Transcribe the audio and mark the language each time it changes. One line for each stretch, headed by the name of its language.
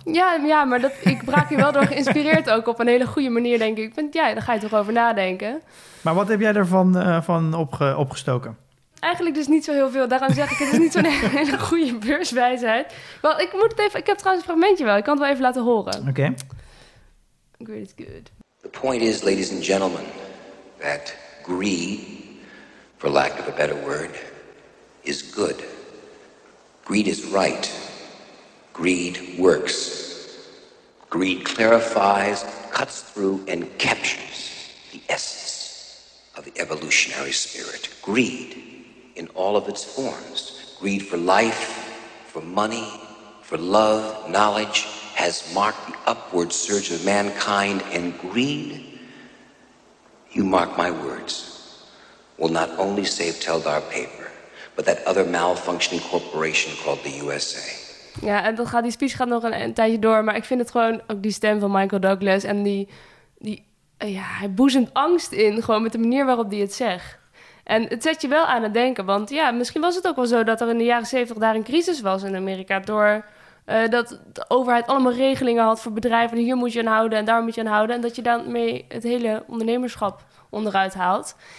Dutch: Ja, maar dat, ik raak je wel door geïnspireerd ook op een hele goede manier, denk ik. Daar ga je toch over nadenken. Maar wat heb jij ervan opgestoken? Eigenlijk dus niet zo heel veel. Daarom zeg ik, het is niet zo'n hele goede beurswijsheid. Wel, ik moet het even. Ik heb trouwens een fragmentje wel. Ik kan het wel even laten horen. Oké.
English: Greed is good. The point is, ladies and gentlemen, that greed, for lack of a better word, is good. Greed is right. Greed works. Greed clarifies, cuts through, and captures the essence of the evolutionary spirit. Greed, in all of its forms, greed for life, for money, for love, knowledge, has marked the upward surge of mankind, and greed, you mark my words, will not only save Teldar Paper, but that other malfunctioning corporation called the USA.
Dutch: Ja, en die speech gaat nog een tijdje door, maar ik vind het gewoon ook die stem van Michael Douglas en hij boezemt angst in, gewoon met de manier waarop hij het zegt. En het zet je wel aan het denken, want ja, misschien was het ook wel zo dat er in de jaren 70 daar een crisis was in Amerika, door dat de overheid allemaal regelingen had voor bedrijven, en hier moet je aan houden en daar moet je aan houden, en dat je daarmee het hele ondernemerschap onderuit haalt.